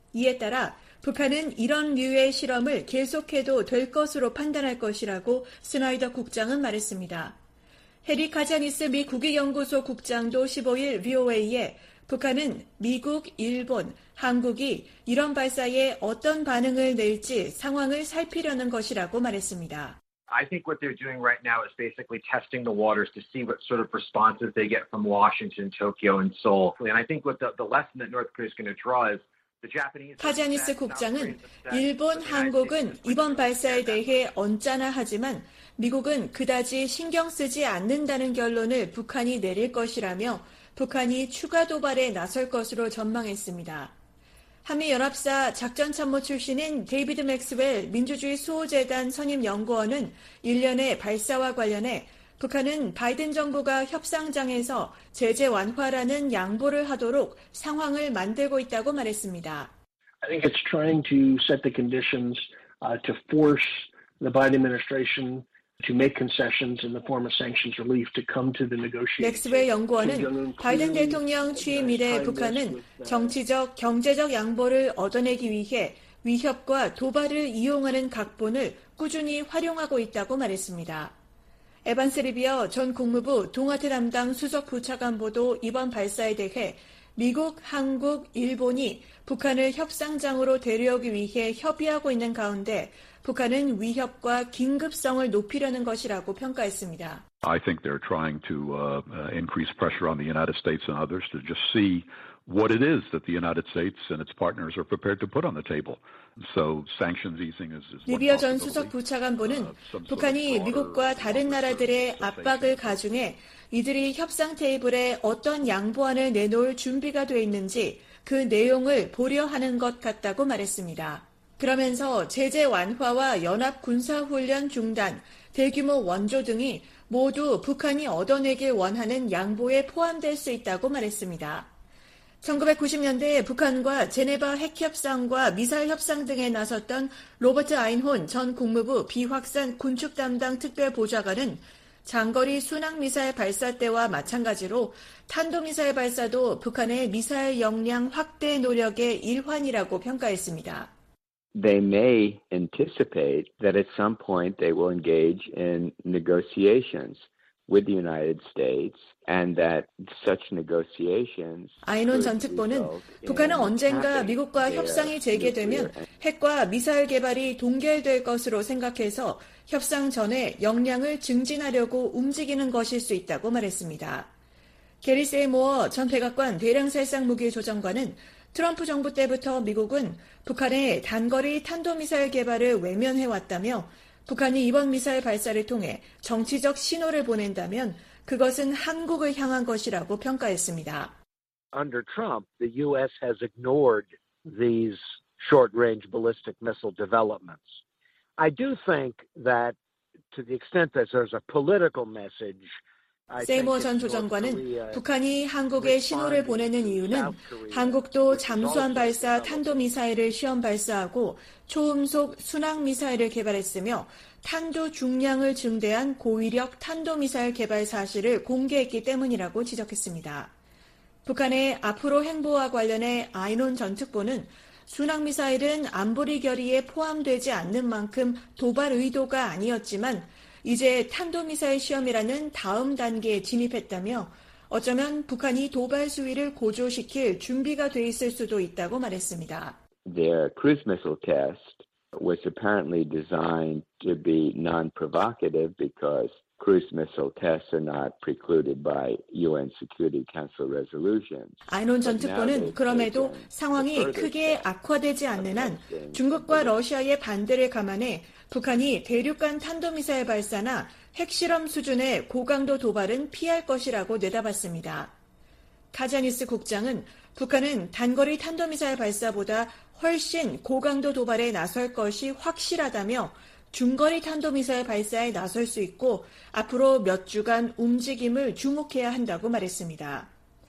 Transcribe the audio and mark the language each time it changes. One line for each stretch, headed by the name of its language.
Korean: 이에 따라 북한은 이런 류의 실험을 계속해도 될 것으로 판단할 것이라고 스나이더 국장은 말했습니다. 해리 카자니스 미 국익연구소 국장도 15일 VOA에 북한은 미국, 일본, 한국이 이런 발사에 어떤 반응을 낼지 상황을 살피려는 것이라고 말했습니다.
English: I think what they're doing right now is basically testing the waters to see what sort of responses they get from Washington, Tokyo, and Seoul. And I think what the lesson that North Korea is going to draw is
Korean: 타자니스 국장은 일본, 한국은 이번 발사에 대해 언짢아하지만 미국은 그다지 신경 쓰지 않는다는 결론을 북한이 내릴 것이라며 북한이 추가 도발에 나설 것으로 전망했습니다. 한미연합사 작전참모 출신인 데이비드 맥스웰 민주주의 수호재단 선임연구원은 일련의 발사와 관련해 북한은 바이든 정부가 협상장에서 제재 완화라는 양보를 하도록 상황을 만들고 있다고 말했습니다.
English: I think it's trying to set the conditions to force the Biden administration to make concessions in the form of sanctions relief to come to the negotiation.
Korean: 맥스웰 연구원은 바이든 대통령 취임 이래 북한은 정치적, 경제적 양보를 얻어내기 위해 위협과 도발을 이용하는 각본을 꾸준히 활용하고 있다고 말했습니다. 에반스 리비어 전 국무부 동아태 담당 수석 부차관보도 이번 발사에 대해 미국, 한국, 일본이 북한을 협상장으로 데려오기 위해 협의하고 있는 가운데 북한은 위협과 긴급성을 높이려는 것이라고 평가했습니다.
English: I think they're trying to increase pressure on the United States and others to just see what it is that the United States and its partners are prepared to put on the table. So sanctions easing is one possibility.
Korean: 리비어 전 수석 부차관보는 북한이 미국과 다른 나라들의 압박을 가중해 이들이 협상 테이블에 어떤 양보안을 내놓을 준비가 돼 있는지 그 내용을 보려하는 것 같다고 말했습니다. 그러면서 제재 완화와 연합 군사훈련 중단, 대규모 원조 등이 모두 북한이 얻어내길 원하는 양보에 포함될 수 있다고 말했습니다. 1990년대에 북한과 제네바 핵협상과 미사일 협상 등에 나섰던 로버트 아인혼 전 국무부 비확산 군축 담당 특별보좌관은 장거리 순항미사일 발사 때와 마찬가지로 탄도미사일 발사도 북한의 미사일 역량 확대 노력의 일환이라고 평가했습니다.
English: They may anticipate that at some point they will engage in negotiations with the United States and that such negotiations
Korean: 아인혼 전 특보는 북한은 언젠가 미국과 협상이 재개되면 핵과 미사일 개발이 동결될 것으로 생각해서 협상 전에 역량을 증진하려고 움직이는 것일 수 있다고 말했습니다. 게리 세이모어 전 백악관 대량살상무기조정관은 트럼프 정부 때부터 미국은 북한의 단거리 탄도미사일 개발을 외면해왔다며 북한이 이번 미사일 발사를 통해 정치적 신호를 보낸다면 그것은 한국을 향한 것이라고 평가했습니다.
English: Under Trump, the U.S. has ignored these short-range ballistic missile developments. I do think that to the extent that there's a political message
Korean: 세이머 전 조정관은 북한이 한국에 신호를 보내는 이유는 한국도 잠수함 발사 탄도미사일을 시험 발사하고 초음속 순항미사일을 개발했으며 탄도 중량을 증대한 고위력 탄도미사일 개발 사실을 공개했기 때문이라고 지적했습니다. 북한의 앞으로 행보와 관련해 아인혼 전 특보는 순항미사일은 안보리 결의에 포함되지 않는 만큼 도발 의도가 아니었지만 이제 탄도미사일 시험이라는 다음 단계에 진입했다며 어쩌면 북한이 도발 수위를 고조시킬 준비가 돼 있을 수도 있다고 말했습니다.
English: Their cruise missile test was apparently designed to be non-provocative because cruise missile tests are not precluded by UN Security Council resolutions.
Korean: 아인혼 전 특보는 그럼에도 상황이 크게 악화되지 않는 한 중국과 러시아의 반대를 감안해 북한이 대륙간 탄도미사일 발사나 핵실험 수준의 고강도 도발은 피할 것이라고 내다봤습니다. 카자니스 국장은 북한은 단거리 탄도미사일 발사보다 훨씬 고강도 도발에 나설 것이 확실하다며 중거리 탄도미사일 발사에 나설 수 있고 앞으로 몇 주간 움직임을 주목해야 한다고 말했습니다.